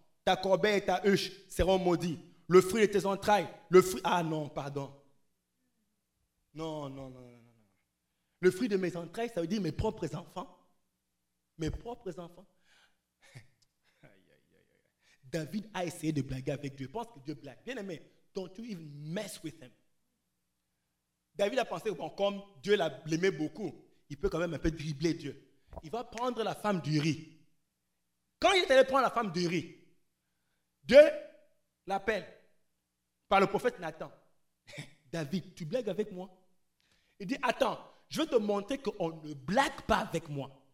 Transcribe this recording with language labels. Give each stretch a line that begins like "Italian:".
French: Ta corbeille et ta huche seront maudits. Le fruit de tes entrailles, le fruit... Ah non, pardon. Non, non, non, non, non. Le fruit de mes entrailles, ça veut dire mes propres enfants. Mes propres enfants. David a essayé de blaguer avec Dieu. Pense que Dieu blague. Bien aimé,
English: don't you even mess with him.
French: David a pensé, bon, comme Dieu l'aimait beaucoup, il peut quand même un peu dribbler Dieu. Il va prendre la femme d'Uri. Quand il est allé prendre la femme d'Uri, Dieu l'appelle par le prophète Nathan. David, tu blagues avec moi? Il dit, attends, je vais te montrer qu'on ne blague pas avec moi.